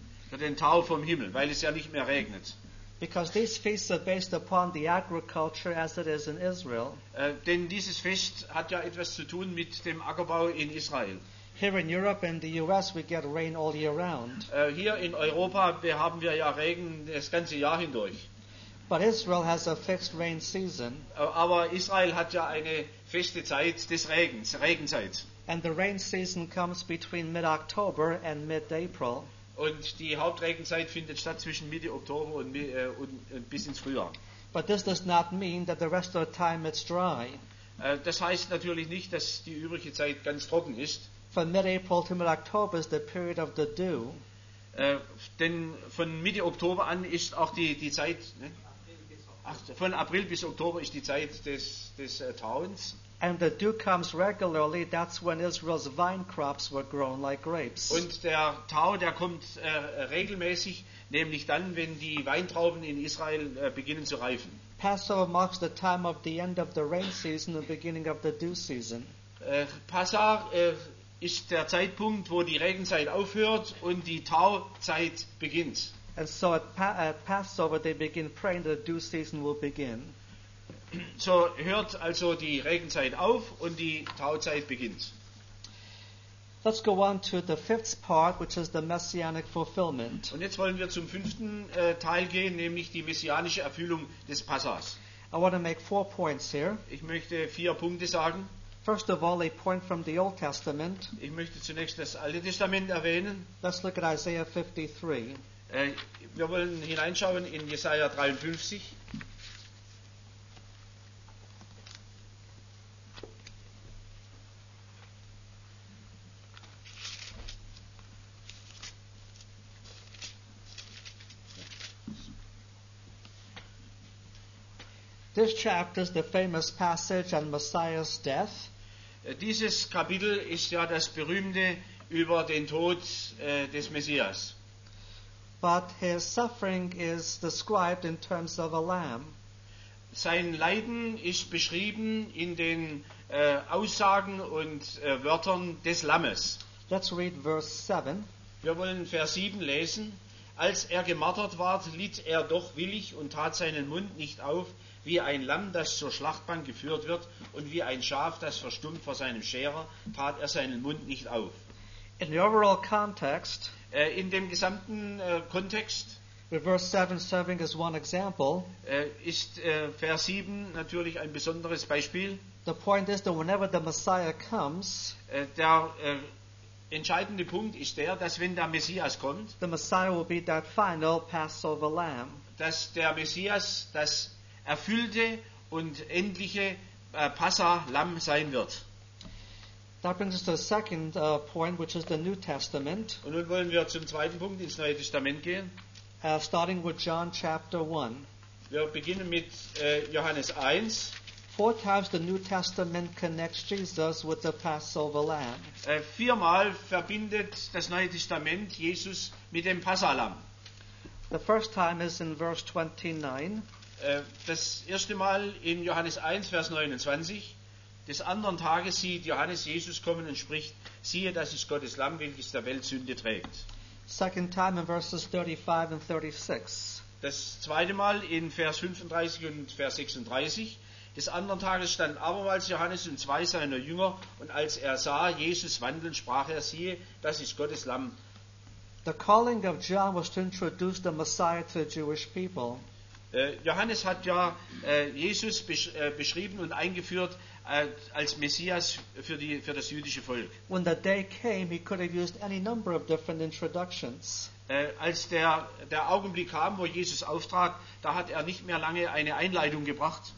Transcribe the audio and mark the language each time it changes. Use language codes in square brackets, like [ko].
[de] Für den Tau vom Himmel, weil es ja nicht mehr regnet. [en] Because these feasts are based upon the agriculture as it is in Israel. [de] Denn dieses Fest hat ja etwas zu tun mit dem Ackerbau in Israel. [en] Here in Europe and the US we get rain all year round. [de] Hier in Europa haben wir ja Regen das ganze Jahr hindurch. [en] But Israel has a fixed rain season. [de] Aber Israel hat ja eine feste Zeit des Regens, Regenzeit. [en] And the rain season comes between mid-October and mid-April. [de] Und die Hauptregenzeit findet statt zwischen Mitte Oktober und bis ins Frühjahr. [en] But this does not mean that the rest of the time it's dry. [de] Das heißt natürlich nicht, dass die übrige Zeit ganz trocken ist. [en] From mid-April to mid-October is the period of the dew. [de] Denn von Mitte Oktober an ist auch die Zeit. Ne? von April bis Oktober ist die Zeit des Tauens. [en] And the dew comes regularly, that's when Israel's vine crops were grown like grapes. [de] Und der Tau, der kommt regelmäßig, nämlich dann, wenn die Weintrauben in Israel beginnen zu reifen. [en] Passover marks the time of the end of the rain season, the beginning of the dew season. [de] Passah ist der Zeitpunkt, wo die Regenzeit aufhört und die Tauzeit beginnt. [en] And so at Passover they begin praying that the dew season will begin. [de] So hört also die Regenzeit auf und die Tauzeit beginnt. [en] Let's go on to the fifth part, which is the messianic fulfillment. [de] Und jetzt wollen wir zum fünften Teil gehen, nämlich die messianische Erfüllung des Passahs. [en] I want to make 4 points here. [de] Ich möchte 4 Punkte sagen. [en] First of all, a point from the Old Testament. [de] Ich möchte zunächst das Alte Testament erwähnen. [en] Let's look at Isaiah 53. [de] Wir wollen hineinschauen in Jesaja 53. [en] This chapter is the famous passage on Messiah's death. [de] Dieses Kapitel ist ja das berühmte über den Tod des Messias. [en] But his suffering is described in terms of a lamb. [de] Sein Leiden ist beschrieben in den Aussagen und Wörtern des Lammes. [en] Let's read verse 7. [de] Wir wollen Vers 7 lesen. Als er gemartert ward, litt er doch willig und tat seinen Mund nicht auf, wie ein Lamm, das zur Schlachtbank geführt wird, und wie ein Schaf, das verstummt vor seinem Scherer, tat er seinen Mund nicht auf. [en] In the overall context, [de] in dem gesamten Kontext, [en] verse 7 serving as one example, [de] ist Vers 7 natürlich ein besonderes Beispiel. [en] The point is that whenever the Messiah comes, [de] der entscheidende Punkt ist der, dass wenn der Messias kommt, [en] the Messiah will be that final Passover lamb. [de] Dass der Messias das erfüllte und endliche Passah-Lamm sein wird. [en] That brings us to the second point, which is the New Testament. [de] Und nun wollen wir zum zweiten Punkt ins Neue Testament gehen. [en] Starting with John chapter 1. [de] Wir beginnen mit Johannes 1. [en] 4 times the New Testament connects Jesus with the Passover lamb. [de] 4-mal verbindet das Neue Testament Jesus mit dem Passah-Lamm. [en] The first time is in verse 29. [de] Das erste Mal in Johannes 1, Vers 29. Des anderen Tages sieht Johannes Jesus kommen und spricht: Siehe, das ist Gottes Lamm, welches der Welt Sünde trägt. [en] Second time in verses 35 and 36. [de] Das zweite Mal in Vers 35 und Vers 36. Des anderen Tages standen abermals Johannes und zwei seiner Jünger, und als er sah Jesus wandeln, sprach er: Siehe, das ist Gottes Lamm. [en] The calling of John was to introduce the Messiah to the Jewish people. [de] Johannes hat ja Jesus beschrieben und eingeführt als Messias für das jüdische Volk. [en] When the day came, he could have used any number of different introductions. [de] Als der Augenblick kam, wo Jesus auftrat, da hat er nicht mehr lange eine Einleitung gebracht.